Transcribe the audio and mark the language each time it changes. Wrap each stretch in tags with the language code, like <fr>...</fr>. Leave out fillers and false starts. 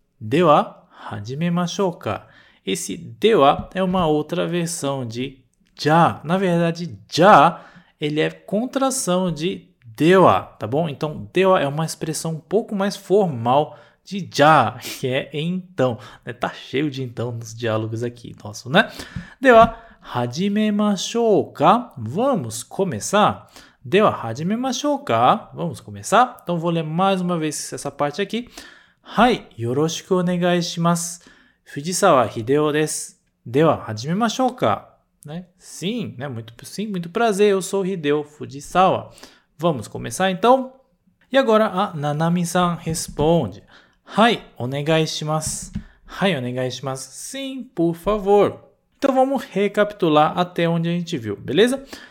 <ja>Dewa, hajimemashou ka.</ja> <pt>Esse dewa é uma outra versão de já. Na verdade, já, ele é contração de dewa, tá bom? Então, dewa é uma expressão um pouco mais formal de já, que é então. Né? Tá cheio de então nos diálogos aqui nosso, né? Dewa,</pt> <ja>始めましょうか</ja> <pt>Vamos começar?</pt> <ja>では始めましょうか</ja> <pt>Vamos começar? Então vou ler mais uma vez essa parte aqui.</pt> <ja>はい、よろしくお願いします。藤沢秀夫です。では始めましょうか、ね、</ja> <pt>Sim, né? Muito prazer, eu sou Hideo Fujisawa. Vamos começar então? E agora a Nanami-san responde.</pt> <ja>はい、お願いします。はい、お願いします。</ja> <pt>Sim, por favor. Então vamos recapitular até onde a gente viu, beleza?</pt>